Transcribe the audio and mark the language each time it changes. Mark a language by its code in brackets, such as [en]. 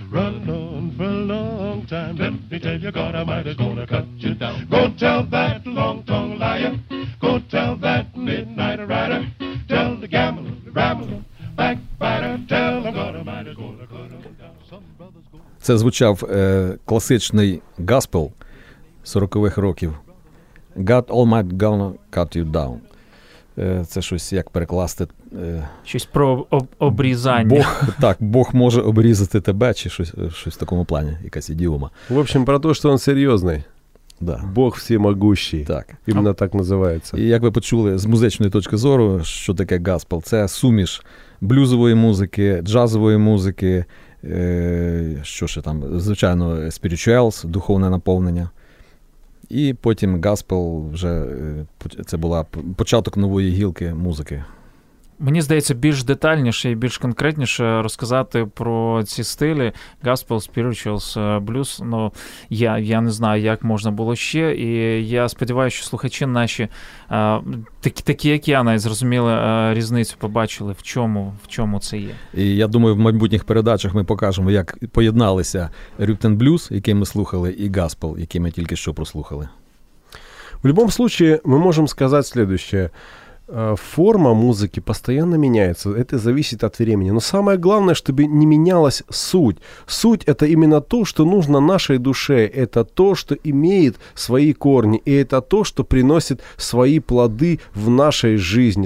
[en] Run on for a long time. Let me tell you, God Almighty's gonna cut you down. Go tell that long-tongued liar. Go tell that midnight rider. Tell the gambler, rambler, backbiter. Tell them God Almighty's gonna cut them down. Some brothers go... [uk] Це звучав класичний gospel 40-х років. [en] God Almighty's gonna cut you down. [uk] Це щось, як перекласти... Щось про обрізання. Бог, так, Бог може обрізати тебе, чи щось, щось в такому плані, якась ідіома. В общем, про те, що він серйозний. [ru] Да. Бог всемогущий. [uk] Так. Іменно так називається. І як ви почули з музичної точки зору, що таке gospel? Це суміш блюзової музики, джазової музики, що ще там, звичайно, spirituals, духовне наповнення. І потім gospel вже, це була початок нової гілки музики. Мені здається, більш детальніше і більш конкретніше розказати про ці стилі gospel, spirituals, blues. Ну, я не знаю, як можна було ще. І я сподіваюся, що слухачі наші, такі як я, навіть зрозуміли різницю, побачили, в чому це є. І я думаю, в майбутніх передачах ми покажемо, як поєдналися Rhythm Blues, який ми слухали, і gospel, який ми тільки що прослухали. В будь-якому випадку ми можемо сказати наступне. [ru] Форма музыки постоянно меняется, это зависит от времени. Но самое главное, чтобы не менялась суть. Суть – это именно то, что нужно нашей душе, это то, что имеет свои корни, и это то, что приносит свои плоды в нашей жизни.